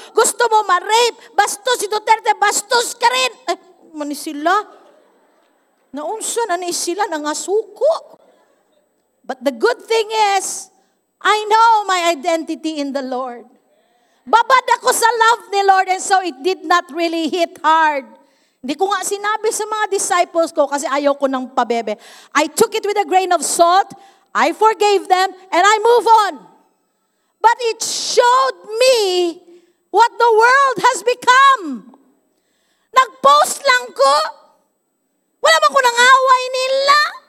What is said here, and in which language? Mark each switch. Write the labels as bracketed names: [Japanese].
[Filipino] Gusto mo ma-rape? Bastos si Duterte, bastos ka rin. [Cebuano] Ay, mani sila. Naunsa na ni sila, nangasuko. [English] But the good thing is, I know my identity in the Lord. [Filipino] Babad ako sa love ni Lord, [English] and so it did not really hit hard. [Filipino] Hindi ko nga sinabi sa mga disciples ko kasi ayaw ko ng pabebe. [English] I took it with a grain of salt, I forgave them, and I move on. But it showed me what the world has become. [Cebuano] Nag-post lang ko. Wala bang ko nang away nila?